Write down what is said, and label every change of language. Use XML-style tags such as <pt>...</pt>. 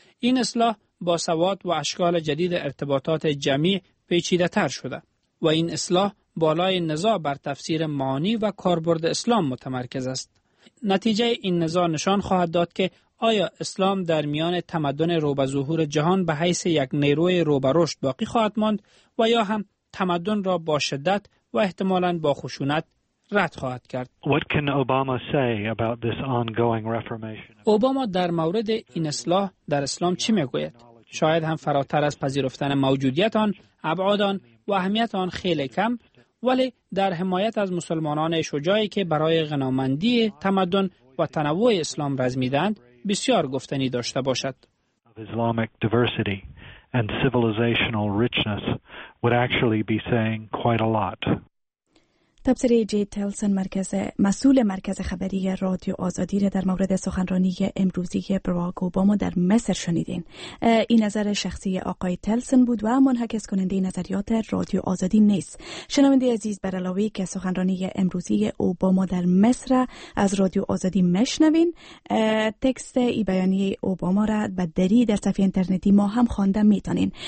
<fa>این اصلاح با سواد و اشکال جدید ارتباطات جمعی پیچیده تر شده و این اصلاح بالای نزاع بر تفسیر معانی و کاربرد اسلام متمرکز است. نتیجه این نزاع نشان خواهد داد که آیا اسلام در میان تمدن روبه ظهور جهان به حیث یک نیروی روبه رشد باقی خواهد ماند و یا هم تمدن را با شدت و احتمالاً با خشونت رد خواهد کرد.</fa> <en>What can Obama say about this ongoing reformation?</en> <fa>اوباما در مورد این اصلاح در اسلام چی میگوید؟ شاید هم فراتر از پذیرفتن موجودیت آن، ابعاد آن و اهمیت آن خیلی کم، ولی در حمایت از مسلمانان شجاعی که برای غنامندی تمدن و تنوع اسلام رزمیدند بسیار گفتنی داشته باشد.</fa> <en>Islamic diversity and civilizational richness would actually be saying quite a lot.</en> <fa>تبصره جی تلسن، مسئول مرکز خبری رادیو آزادی، را در مورد سخنرانی امروزی براک اوباما در مصر شنیدین. این نظر شخصی آقای تلسن بود و منعکس کننده نظریات رادیو آزادی نیست. شنونده عزیز، بر علاوه که سخنرانی امروزی اوباما در مصر از رادیو آزادی مشنوین، تکست ای بیانیه اوباما را به دری در صفحه اینترنتی ما هم خوانده میتونین.</fa>